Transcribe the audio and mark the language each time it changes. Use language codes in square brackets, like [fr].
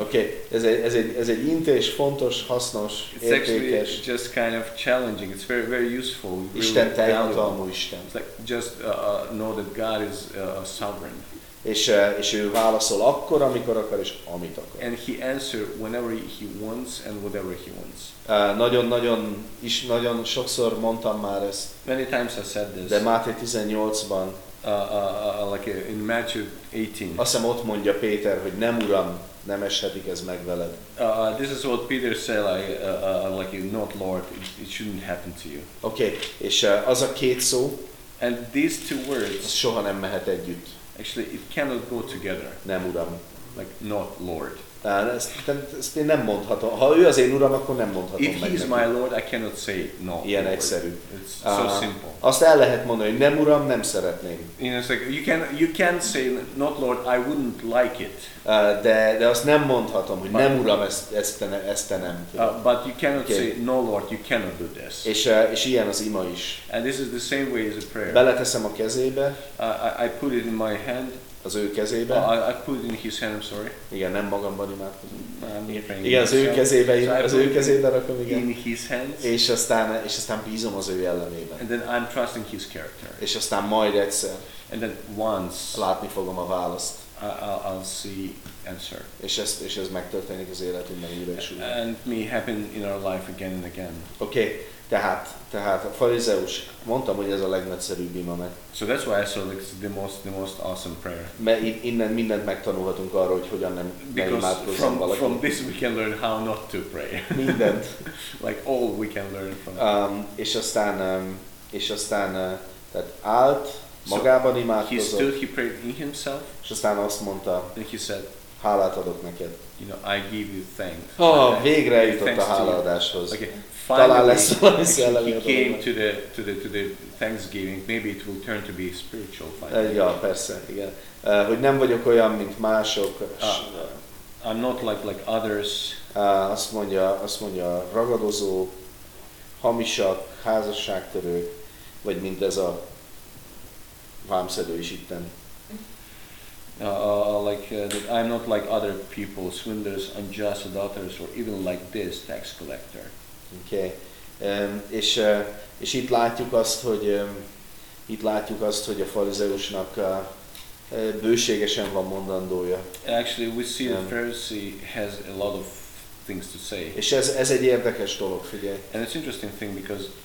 [hu] Okay, ez egy intés, fontos, hasznos, [en] it's [hu] értékes. [en] It's actually just kind of challenging. It's very very useful. [hu] Isten teljhatalmú Isten. [en] It's like just know that God is sovereign. [hu] És ő válaszol akkor, amikor akar és amit akar. [en] And he answers whenever he wants and whatever he wants. [hu] Nagyon sokszor mondtam már ezt. [en] Many times I said this. [hu] De Máté 18-ban, [en] like in Matthew 18. [hu] Azt hiszem ott mondja Péter, hogy nem uram, nem eshetik ez meg veled. [en] This is what Peter said, like not Lord, it shouldn't happen to you. [hu] Okay. És az a két szó. [en] And these two words. [hu] Az soha nem mehet együtt. [en] Actually, it cannot go together. [hu] Nem uram. [en] Like, not Lord. [hu] Ezt én nem mondhatom. Ha ő az én uram, akkor nem mondhatom [en] if [hu] meg. [en] If he is my Lord, I cannot say no. [hu] Ilyen [en] Lord. [hu] Egyszerű. [en] It's so simple. [hu] Azt el lehet mondani, hogy nem uram, nem szeretném. [en] You know, it's like, you can say not Lord, I wouldn't like it. [hu] De azt nem mondhatom, hogy [en] but, [hu] nem uram, ezt nem. [en] But you cannot okay. say no Lord, you cannot do this. [hu] És ilyen az ima is. [en] And this is the same way as a prayer. [hu] Beleteszem a kezébe. [en] I put it in my hand. [hu] Az ő kezébe. [en] I put in his hand, I'm sorry. [hu] Igen, nem magamban imádkozom. Igen, az ő kezébe, az ő kezébe rakom, igen. [en] In his hands. [hu] És aztán bízom az ő jellemében. [en] And then I'm trusting his character. [hu] És aztán majd egyszer. [en] And then once. [hu] Látni fogom a választ. [en] I'll see answer. [hu] És ez megtörténik az életünkben újra és újra. [en] And may happen in our life again and again. Okay. [hu] Tehát a farizeus, mondtam, hogy ez a legnagyszerűbb ima, mert... [en] So that's why I saw like the most awesome prayer. [hu] Mert innen mindent megtanulhatunk arról, hogy hogyan nem imádkozzon valaki. [en] Because from this we can learn how not to pray. [hu] Mindent. [en] Like all we can learn from [hu] És aztán, tehát állt, magában imádkozott. [en] So he stood, he prayed in himself. [hu] És aztán azt mondta, [en] and he said, [hu] hálát adok neked. [en] You know, I give you thanks. [hu] Oh, végre jutott a hálaadáshoz. Talán lesz valami szellemi adó. [en] He came to the thanksgiving. Maybe it will turn to be spiritual finally. [hu] Ja, persze, igen. Hogy nem vagyok olyan, mint mások. [en] I'm not like others. [hu] Azt mondja, ragadozó, hamisak, házasságtörő, vagy mint ez a vámszedő is itten. [en] That I'm not like other people, swindlers, unjust adulterers, or even like this tax collector. Okay. [hu] És itt látjuk azt, hogy a farizeusnak bőségesen van mondandója. [en] Actually, we see the Pharisee has a lot of things to say. [hu] És ez egy érdekes dolog, figyelj. [en] And it's interesting thing because